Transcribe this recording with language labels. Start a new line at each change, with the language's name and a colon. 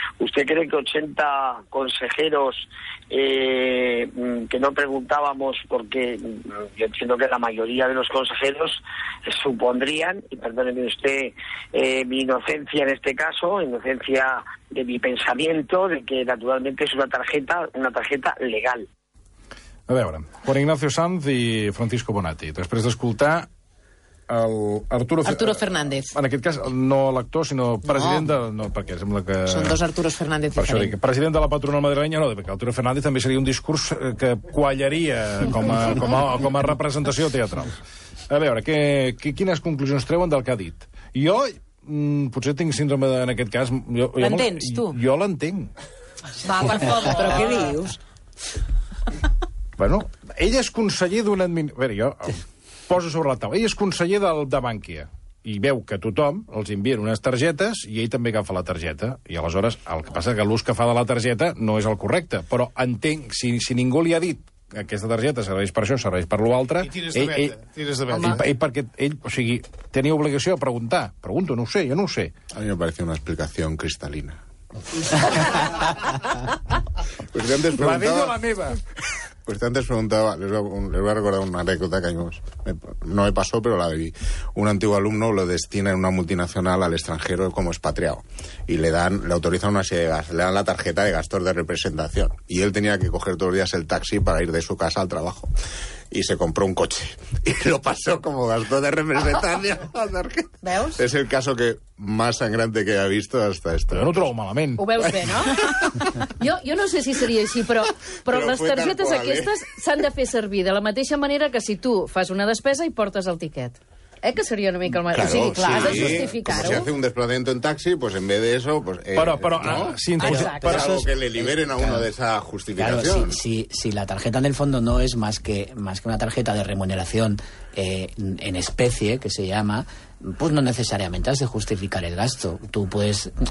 Spanish: ¿Usted cree que 80 consejeros que no preguntábamos, porque yo entiendo que la mayoría de los consejeros supondrían, y perdóneme usted, mi inocencia en este caso, inocencia de mi pensamiento, de que naturalmente es una tarjeta legal.
Catalan: A veure, Juan Ignacio Sanz i Francisco Bonatti, després d'escoltar el Arturo Fernández. En aquest cas, no l'actor, sinó president de... No, perquè sembla que... Són dos Arturos Fernández diferents. Per això dic, president de la patronal madrilenya, no, perquè Arturo Fernández també seria un discurs que quallaria com a representació teatral. A veure, quines conclusions treuen del que ha dit? Jo, potser tinc síndrome en aquest cas... L'entens, tu? Jo l'entenc. Va, per favor. Però què dius? Bueno, ell és conseller d'un administració... A veure, jo... posa sobre la taula. Ell és conseller de Bankia i veu que tothom els envien unes targetes i ell també agafa la targeta. I aleshores el que passa és que l'ús que fa de la targeta no és el correcte. Però entenc, si ningú li ha dit que aquesta targeta serveix per això, serveix per l'altre... I tires de veta. O sigui, tenia obligació de preguntar. Pregunto, no ho sé, jo no ho sé.
Spanish: A mi me parece una explicación cristalina. Pues que antes preguntaba...
Catalan: La meva.
Spanish: Pues antes preguntaba, les voy a recordar una anécdota que no me pasó, pero la viví. Un antiguo alumno lo destina en una multinacional al extranjero como expatriado. Y le autorizan una serie de gastos. Le dan la tarjeta de gastos de representación. Y él tenía que coger todos los días el taxi para ir de su casa al trabajo. Y se compró un coche. Y lo pasó como gasto de representación.
Catalan: ¿Veus?
Spanish: Es el caso que más sangrante que he visto hasta esto.
Catalan: No trobo malament. Ho veus bé, no? Jo no sé si seria així, però les targetes aquestes s'han de fer servir de la mateixa manera que si tu fas una despesa i portes el tiquet. Que seria una mica el mateix.
Spanish: Claro,
Catalan: o sigui, clar, sí, has de justificar-ho.
Spanish: Si hace un desplazamiento en taxi, pues en vez de eso... Pues,
Catalan: Però
Spanish: algo que le liberen a uno de esa justificación. Claro, si la tarjeta en el fondo no es más que una tarjeta de remuneración en especie, que se llama... Pues no necesariamente has de justificar el gasto. Tú puedes...